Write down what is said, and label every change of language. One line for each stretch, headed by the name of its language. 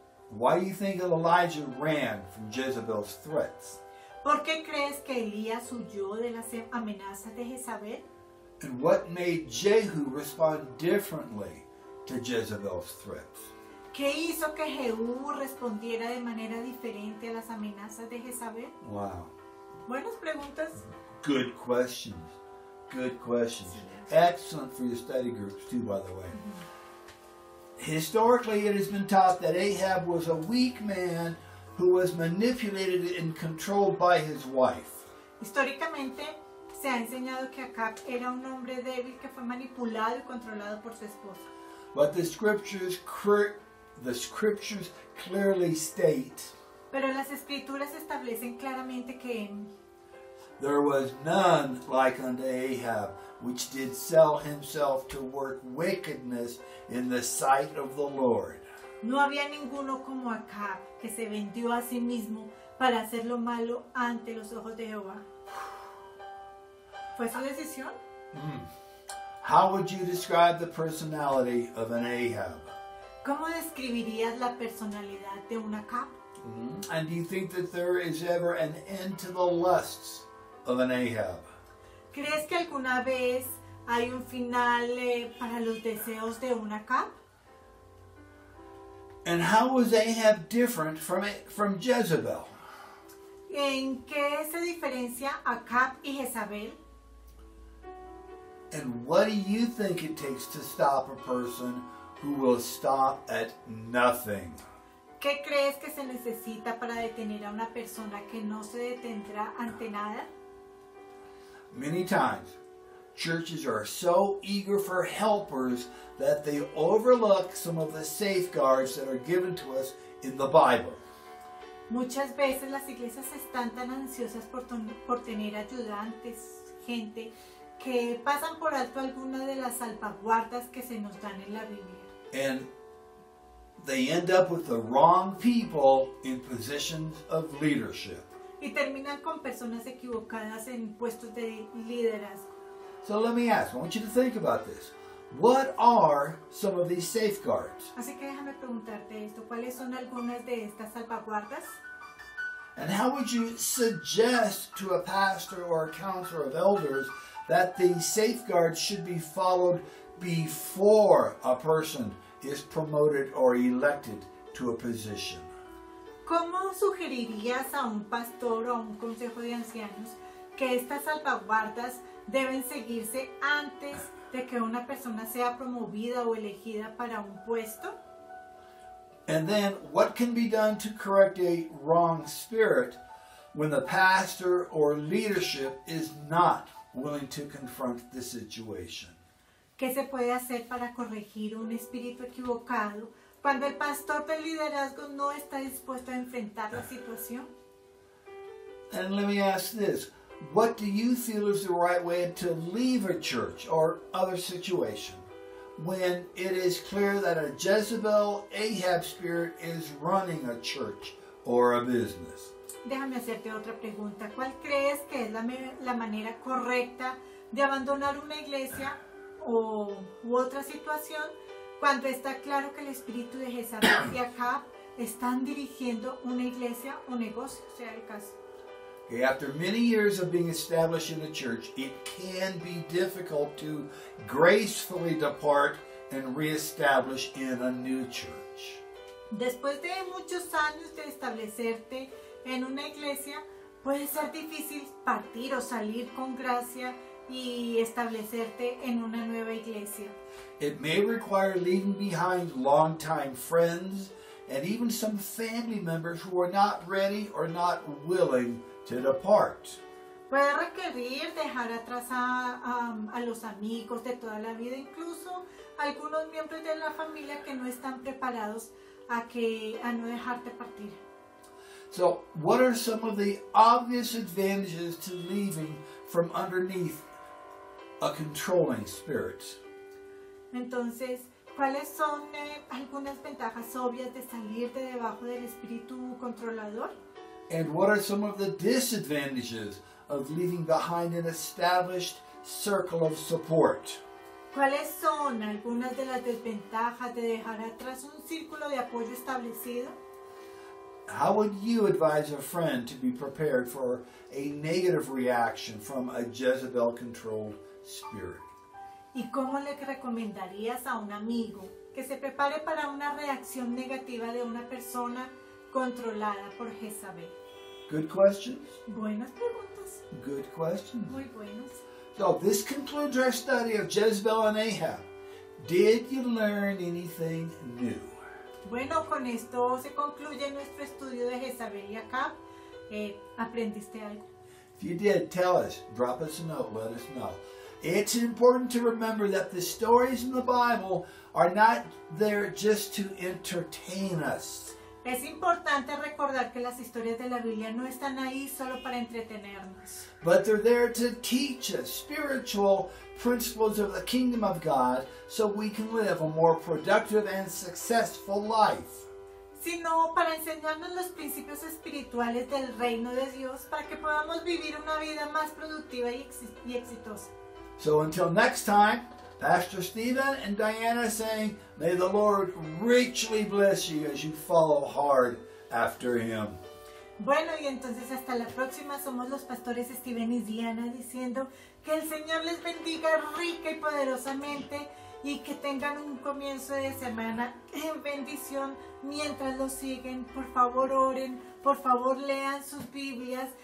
English: Why do you think Elijah ran from Jezebel's threats?
Spanish: ¿Por qué crees que Elías huyó de las amenazas de Jezabel?
English: And what made Jehu respond differently to Jezebel's threats?
Spanish: ¿Qué hizo que Jehú respondiera de manera diferente a las amenazas de Jezabel?
English: Wow.
Spanish: Buenas preguntas.
English: Good questions. Good questions. Excellent for your study groups too, by the way. Historically, it has been taught that Ahab was a weak man who was manipulated and controlled by his wife.
Spanish: Históricamente, se ha enseñado que Acab era un hombre débil que fue manipulado y controlado por su esposa.
English: But the scriptures clearly state.
Spanish: Pero las escrituras establecen claramente que
English: there was none like unto Ahab, which did sell himself to work wickedness in the sight of the Lord.
Spanish: No había ninguno como Acab, que se vendió a sí mismo para hacer lo malo ante los ojos de Jehová. ¿Fue su decisión?
English: How would you describe the personality of an Ahab?
Spanish: ¿Cómo describirías la personalidad de un Acab?
English: And do you think that there is ever an end to the lusts of an Ahab?
Spanish: ¿Crees que alguna vez hay un final para los deseos de un Acab?
English: And how was Ahab different from Jezebel?
Spanish: ¿En qué se diferencia Acab y Jezabel?
English: And what do you think it takes to stop a person who will stop at nothing?
Spanish: ¿Qué crees que se necesita para detener a una persona que no se detendrá ante nada?
English: Many times, churches are so eager for helpers that they overlook some of the safeguards that are given to us in the Bible.
Spanish: Muchas veces las iglesias están tan ansiosas por tener ayudantes, gente, que pasan por alto alguna de las salvaguardas que se nos dan en la Biblia.
English: And they end up with the wrong people in positions of leadership.
Spanish: Y terminan con personas equivocadas en puestos de liderazgo.
English: So let me ask, I want you to think about this. What are some of these safeguards?
Spanish: Así que déjame preguntarte esto, ¿cuáles son algunas de estas salvaguardas?
English: And how would you suggest to a pastor or a counselor of elders that the safeguards should be followed before a person is promoted or elected to a position?
Spanish: ¿Cómo sugerirías a un pastor o a un consejo de ancianos que estas salvaguardas deben seguirse antes de que una persona sea promovida o elegida para un puesto?
English: And then, what can be done to correct a wrong spirit when the pastor or leadership is not willing to confront the situation?
Spanish: ¿Qué se puede hacer para corregir un espíritu equivocado cuando el pastor del liderazgo no está dispuesto a enfrentar la situación?
English: And let me ask this. What do you feel is the right way to leave a church or other situation when it is clear that a Jezebel Ahab spirit is running a church or a business?
Spanish: Déjame hacerte otra pregunta. ¿Cuál crees que es la manera correcta de abandonar una iglesia u otra situación cuando está claro que el espíritu de Jezabel y Ahab están dirigiendo una iglesia o negocio, sea el caso?
English: After many years of being established in a church, it can be difficult to gracefully depart and reestablish in a new church.
Spanish: Después de muchos años de establecerte en una iglesia, puede ser difícil partir o salir con gracia y establecerte en una nueva iglesia.
English: It may require leaving behind longtime friends and even some family members who are not ready or not willing to depart.
Spanish: Puede requerir dejar atrás a los amigos de toda la vida, incluso algunos miembros de la familia que no están preparados a no dejarte partir.
English: So, what are some of the obvious advantages to leaving from underneath a controlling spirit?
Spanish: Entonces, ¿cuáles son algunas ventajas obvias de salir de debajo del espíritu controlador?
English: And what are some of the disadvantages of leaving behind an established circle of support?
Spanish: ¿Cuáles son algunas de las desventajas de dejar atrás un círculo de apoyo establecido?
English: How would you advise a friend to be prepared for a negative reaction from a Jezebel-controlled spirit?
Spanish: ¿Y cómo le recomendarías a un amigo que se prepare para una reacción negativa de una persona controlada por Jezabel?
English: Good questions.
Spanish: Buenas preguntas.
English: Good questions.
Spanish: Muy buenas.
English: So this concludes our study of Jezebel and Ahab. Did you learn anything new?
Spanish: Bueno, con esto se concluye nuestro estudio de Jezabel y Ahab. ¿Aprendiste algo?
English: If you did, tell us. Drop us a note. Let us know. It's important to remember that the stories in the Bible are not there just to entertain us.
Spanish: Es importante recordar que las historias de la Biblia no están ahí solo para entretenernos.
English: But they're there to teach us spiritual principles of the kingdom of God so we can live a more productive and successful life.
Spanish: Sino para enseñarnos los principios espirituales del reino de Dios para que podamos vivir una vida más productiva y exitosa.
English: So until next time, Pastor Stephen and Diana saying, may the Lord richly bless you as you follow hard after Him.
Spanish: Bueno, y entonces hasta la próxima, somos los pastores Stephen y Diana diciendo que el Señor les bendiga rica y poderosamente y que tengan un comienzo de semana en bendición. Mientras lo siguen, por favor oren, por favor lean sus Biblias.